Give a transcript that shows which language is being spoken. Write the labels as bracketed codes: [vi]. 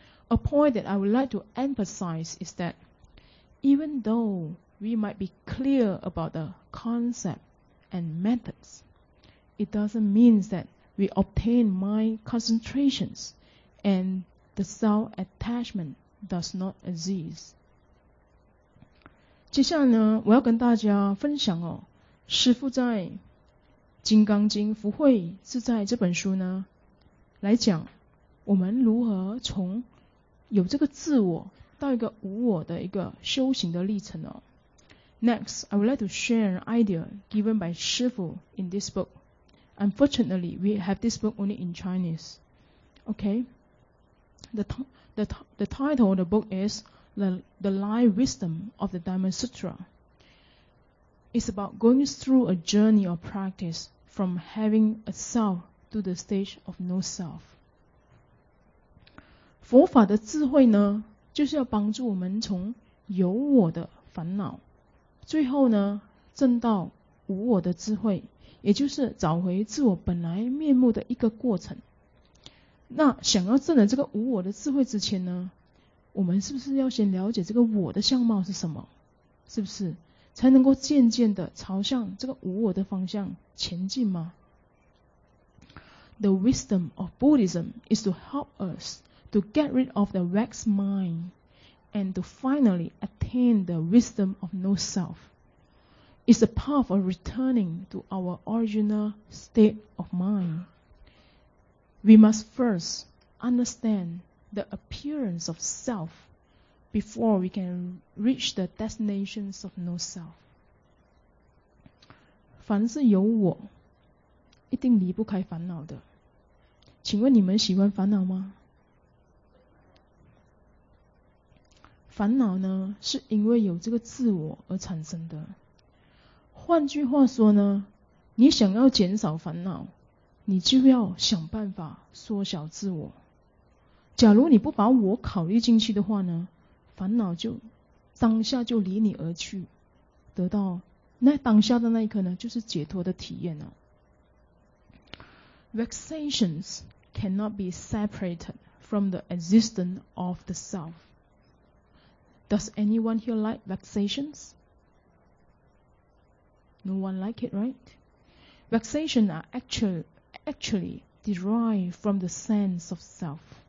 [en] A point that I would like to emphasize is that even though we might be clear about the concept and methods, it doesn't mean thatWe obtain mind concentrations, and the self-attachment does not exist. [zh] 接下来呢，我要跟大家分享师父在《金刚经·福慧自在》这本书呢，来讲我们如何从有这个自我到一个无我的一个修行的历程哦。 [en] Next, I would like to share an idea given by 师父 in this book. Unfortunately, we have this book only in Chinese. Okay? The title of the book is The Life Wisdom of the Diamond Sutra. It's about going through a journey of practice from having a self to the stage of no self. [zh] 佛法的智慧呢，就是要帮助我们从有我的烦恼，最后呢，证到无我的智慧，也就是找回自我本来面目的一个过程。那想要证得这个无我的智慧之前呢，我们是不是要先了解这个我的相貌是什么？是不是才能够渐渐的朝向这个无我的方向前进吗？ [en] The wisdom of Buddhism is to help us to get rid of the vexed mind and to finally attain the wisdom of no self. It's a path of returning to our original state of mind. We must first understandthe appearance of self before we can reach the destinations of no self. [zh] 凡是有我一定离不开烦恼的。请问你们喜欢烦恼吗？烦恼呢，是因为有这个自我而产生的。换句话说呢，你想要减少烦恼，你就要想办法缩小自我。假如你不把我考虑进去的话呢，烦恼就当下就离你而去，得到那当下的那一刻呢，就是解脱的体验了。 [en] Vexations cannot be separated from the existence of the self. Does anyone here like vexations? No one like it, right? Vexations are actually derived from the sense of self.